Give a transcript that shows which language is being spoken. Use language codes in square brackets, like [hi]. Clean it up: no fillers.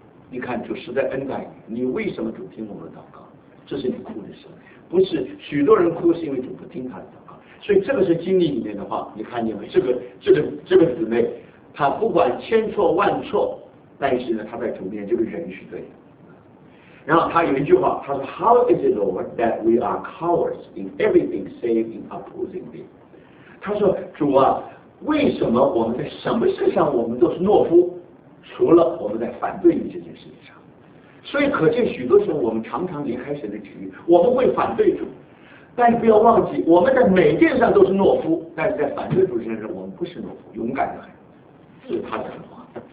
[zh] 你看主实在恩待你，你为什么主听我们祷告？这是你哭的时候，不是许多人哭是因为主不听他的祷告。所以这个是经历里面的话，你看见没？这个姊妹，她不管千错万错，但是呢，她在主面前这个人是对的。然后他有一句话，他说 [en] How is it, Lord, that we are cowards in everything save in opposing thee? [zh] 他说主啊，为什么我们在什么事上我们都是懦夫，除了我们在反对你这件事情上。所以可见许多时候我们常常离开神的旨意，我们会反对主，但是不要忘记我们在每件上都是懦夫，但是在反对主身上我们不是懦夫，勇敢的很，这是他讲的话。